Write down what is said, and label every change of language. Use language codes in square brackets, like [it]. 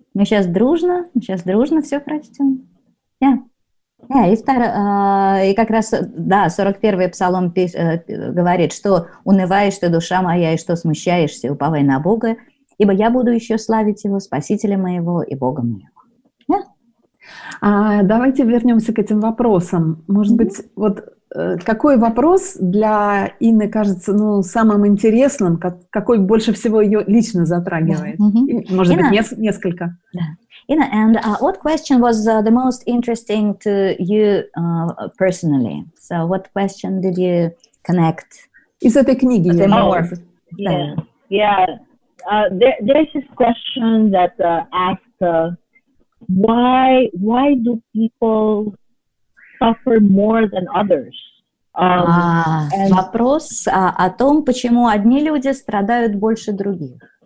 [ru] Мы сейчас дружно все прочтем. И второй, и как раз, да, 41-й псалом говорит, что унываешь ты, душа моя, и что смущаешься, уповай на Бога, ибо я буду еще славить Его, Спасителя моего и Бога моего. Давайте вернемся к этим вопросам. Может быть, вот какой вопрос для Инны кажется самым интересным, какой больше всего ее лично затрагивает? Может быть, несколько? Да. [en] Inna, and what question was the most interesting to you personally? So what question did you connect? Is it a [ru] книги? [en] Yeah. There's this question that asked why do people suffer more than others? [ru] Вопрос о том, почему одни люди страдают больше других.